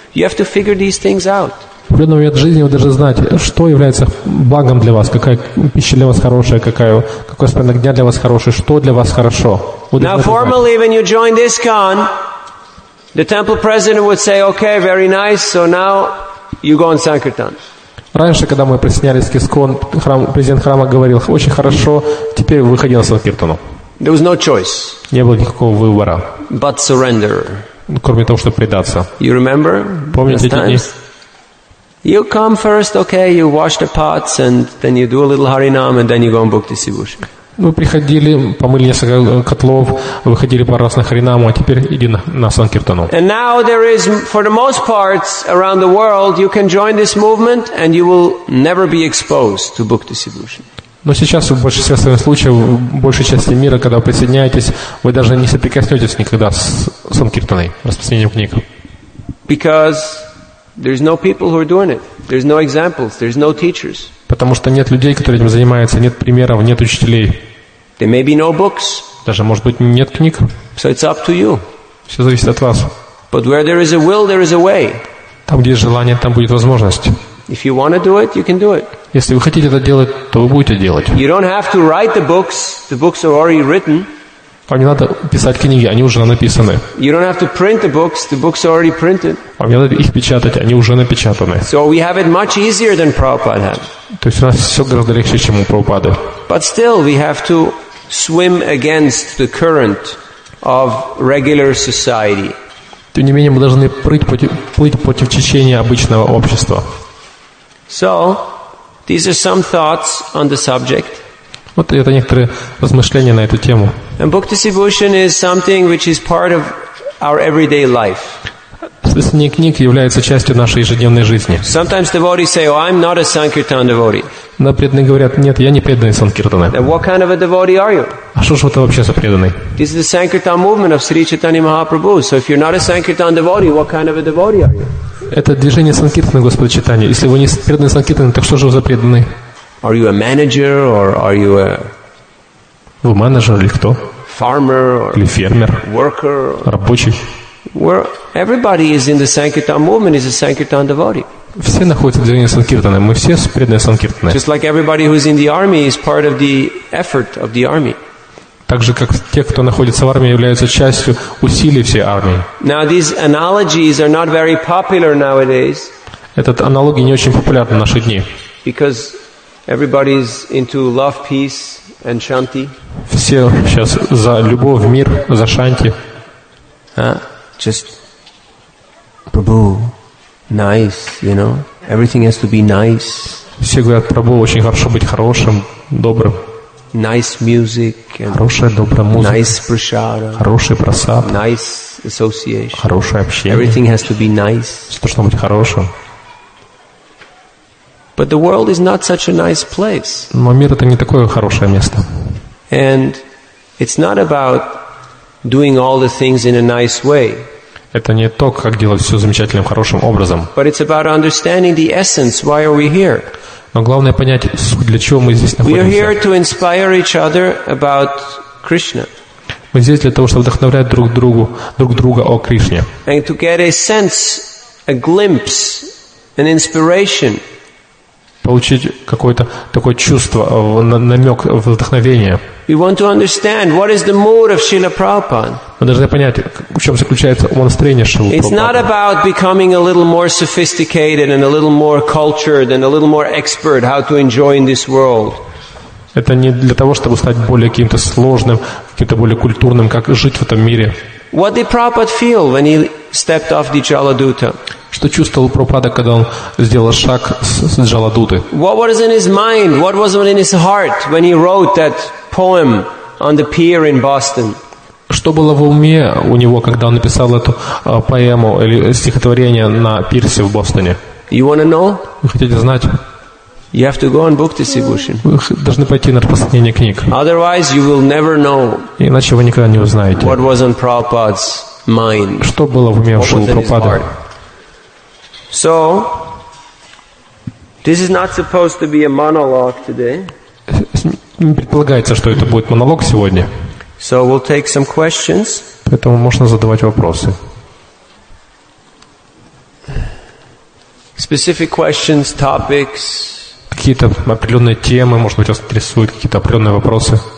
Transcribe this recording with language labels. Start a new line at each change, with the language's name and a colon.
English: You have to figure these things out.
Russian: В определенный момент жизни вы должны знать, что является благом для вас, какая пища для вас хорошая, какой распорядок дня для вас хороший, что для вас хорошо.
English: Now formally, when you join this con, the temple president would say, okay, very nice, so now you go on Sankirtan.
Russian: Раньше, когда мы присоединялись к ИСККОН, президент храма говорил, очень хорошо, теперь выходи на Санкиртану.
English: There was no choice.
Russian: Не было никакого выбора.
English: But surrender.
Russian: Кроме того, чтобы предаться.
English: You remember?
Russian: Помните эти дни?
English: You come first, okay, you wash the pots, and then you do a little Харинам, and then you go and book the Сивушик.
Russian: Мы приходили, помыли несколько котлов, выходили пару раз на Харинаму, а теперь иди на Санкиртану.
English: And now there is, for the most part, around the world, you can join this movement and you will never be exposed to book distribution.
Russian: Но сейчас, в большинстве своих случаев, в большей части мира, когда вы присоединяетесь, вы даже не соприкоснетесь никогда с Санкиртаной, распространением книг.
English: Because there's no people who are doing it. There's no examples, there's no teachers.
Russian: Потому что нет людей, которые этим занимаются, нет примеров, нет учителей.
English: There may be no books.
Russian: Даже, может быть, нет книг.
English: So it's up to you.
Russian: Все зависит от вас.
English: But where there is a will, there is a way.
Russian: Там, где есть желание, там будет возможность.
English: If you want to do it, you can do it.
Russian: Если вы хотите это делать, то вы будете делать.
English: You don't have to write the books. The books are already written.
Russian: Вам не надо писать книги, они уже написаны.
English: You don't have to print the books, the books are already printed.
Russian: Вам не надо их печатать, они уже напечатаны.
English: So we have it much easier than Prabhupada had.
Russian: То есть у нас все гораздо легче, чем у Прабхупады.
English: But still we have to swim against the current of regular society.
Russian: Тем не менее, мы должны плыть против течения обычного общества.
English: So, these are some thoughts on the subject.
Russian: Вот это некоторые размышления на эту тему.
English: And book distribution is something which is part of our everyday life.
Russian: Написание книг является частью нашей ежедневной жизни.
English: Sometimes devotees say, oh, I'm not a Sankirtan devotee.
Russian: Но преданные говорят, нет, я не преданный Санкиртана.
English: Then what kind of a devotee are you?
Russian: А что ж это вообще за преданный?
English: This is the Sankirtan movement of Sri Chaitanya Mahaprabhu. So if you're not a Sankirtan devotee, what kind of a devotee are you?
Russian: Это движение Санкиртана, Господа Читания. Если вы не преданный Санкиртана, так что же вы за преданный?
English: Are you a manager or are you a...
Russian: Вы менеджер или кто?
English: Farmer or...
Russian: Или фермер?
English: Worker?
Russian: Рабочий?
English: Where everybody is in the Sankirtan movement is a Sankirtan devotee.
Russian: Все находятся в движении Санкиртаны. Мы все преданные Санкиртаны.
English: Just like everybody who is in the army is part of the effort of the army.
Russian: Так же, как те, кто находится в армии, являются частью усилий всей армии.
English: Now these analogies are not very popular nowadays.
Russian: Этот аналогии не очень популярны в наши дни.
English: Because everybody is into love, peace and shanti.
Russian: Все сейчас за любовь, мир, за шанти.
English: Just Prabhu, nice, you know. Everything has to be nice.
Russian: Все говорят, Прабху, очень хорошо быть хорошим, добрым.
English: Nice music.
Russian: Хорошая, добрая музыка.
English: Nice prasada.
Russian: Хороший прасад.
English: Nice association.
Russian: Хорошее общение.
English: Everything has to be nice.
Russian: Все должно быть хорошим.
English: But the world is not such a nice place.
Russian: Но мир это не такое хорошее место.
English: And it's not about doing all the things in a nice way.
Russian: Это не то, как делать все замечательным, хорошим образом.
English: But it's about understanding the essence. Why are we here?
Russian: Но главное понять суть, для чего мы здесь находимся.
English: We are here to inspire each other about Krishna.
Russian: Мы здесь для того, чтобы вдохновлять друг друга о Кришне.
English: And to get a sense, a glimpse, an inspiration.
Russian: Получить какое-то такое чувство, намек, вдохновение.
English: We want to understand what is the mood of Srila Prabhupada.
Russian: Мы должны понять, в чем заключается умонастроение Шрилы Прабхупады.
English: It's not about becoming a little more sophisticated and a little more cultured and a little more expert how to enjoy in this world.
Russian: Это не для того, чтобы стать более каким-то сложным, каким-то более культурным, как жить в этом мире.
English: What did Prabhupada feel when he stepped off the Jaladuta?
Russian: Что чувствовал Прабхупада, когда он сделал шаг с Джаладуты?
English: What was in his mind? What was in his heart when he wrote that poem on the pier in Boston?
Russian: Что было в уме у него, когда он написал эту поэму или стихотворение на пирсе в Бостоне?
English: You want to know?
Russian: Вы хотите знать?
English: You have to go and book distribution.
Russian: Вы должны пойти на распространение книг.
English: Otherwise, you will never know.
Russian: Иначе вы никогда не узнаете.
English: What was on Prabhupada's mind?
Russian: Что было в уме у Прабхупады?
English: So, this is not supposed to be a monologue today.
Russian: Не предполагается, что это будет монолог сегодня.
English: So we'll take some questions.
Russian: Поэтому можно задавать вопросы.
English: Specific questions, topics.
Russian: Какие-то определенные темы, может быть, вас интересуют какие-то определенные вопросы.